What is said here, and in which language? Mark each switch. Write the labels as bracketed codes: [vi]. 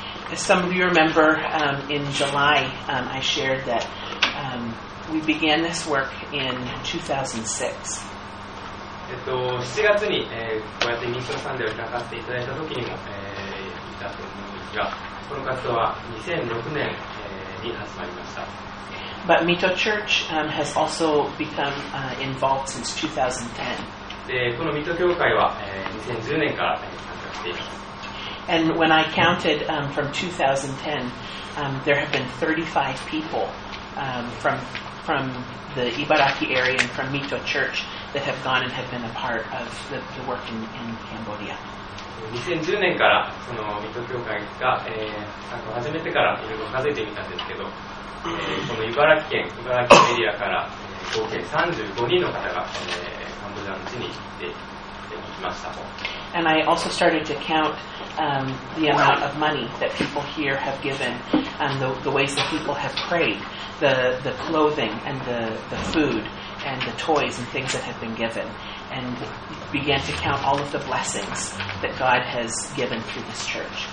[en] As some of you remember, in July, I shared that we began this work in 2006. [ja] 7月に、こうやって民族サンデーを開かせていただいた時にも、いたと思うんですが、この活動は2006年、に始まりました。 [en] But Mito Church, has also become, involved since 2010. [ja] で、このミト教会は、2010年から、参加しています。 [en] And when I counted, from 2010, there have been 35 people, from the Ibaraki area and from Mito Church that have gone and have been a part of the work in Cambodia. [ja] 2010年からそのミト教会が、参加を始めてからいろいろ数えてみたんですけど、この茨城エリアから、合計35人の方が、カンボジアの地に行ってきました。 [en] And I also started to count, the amount of money that people here have given, and the ways that people have prayed, the clothing and the food and the toys and things that have been given, and began to count all of the blessings that God has given through this church.